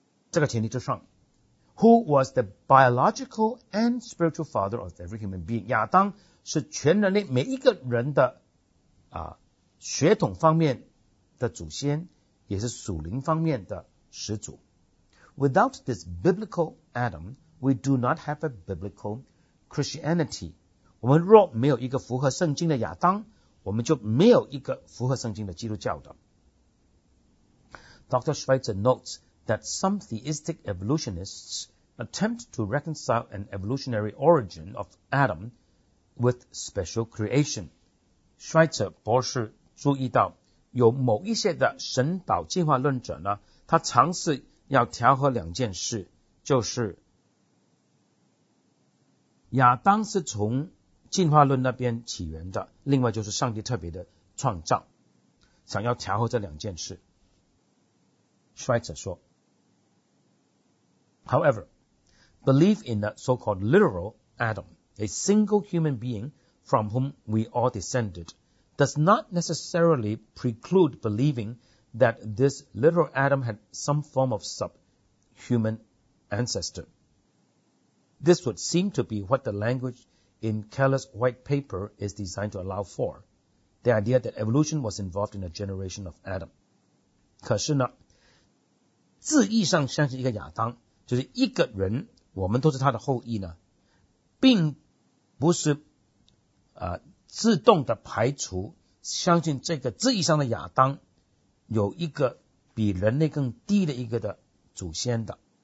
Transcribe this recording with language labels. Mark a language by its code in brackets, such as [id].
[zh] 这个前提之上 [en] who was the biological and spiritual father of every human being [zh] 亚当是全人类每一个人的、啊、血统方面的祖先也是属灵方面的始祖 [en] without this biblical Adam we do not have a biblical Christianity [zh] 我们若没有一个符合圣经的亚当我们就没有一个符合圣经的基督教的 Dr. [en] Schweitzer notesthat some theistic evolutionists attempt to reconcile an evolutionary origin of Adam with special creation. [zh] Schweitzer 博士注意到有某一些的神导进化论者呢他尝试要调和两件事就是亚当是从进化论那边起源的另外就是上帝特别的创造想要调和这两件事。 [en] Schweitzer 说However, belief in the so-called literal Adam, a single human being from whom we all descended, does not necessarily preclude believing that this literal Adam had some form of subhuman ancestor. This would seem to be what the language in Keller's white paper is designed to allow for, the idea that evolution was involved in a generation of Adam. [zh] 可是呢，字义上像是一个亚当就是一个人我们都是他的后裔呢并不是、自动的排除相信这个字义上的亚当有一个比人类更低的一个的祖先的。